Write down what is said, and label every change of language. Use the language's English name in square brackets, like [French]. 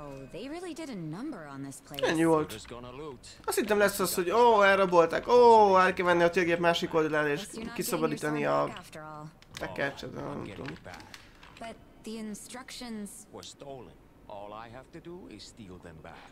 [English] They really did a number on this place. [Hungarian] Ennyi volt. Azt hittem lesz az, hogy elrabolták. El kell menni a térgép másik oldalán és kiszabadítani a tekercset, nem tudom. [English] But the instructions were stolen. All I have to do is steal them back.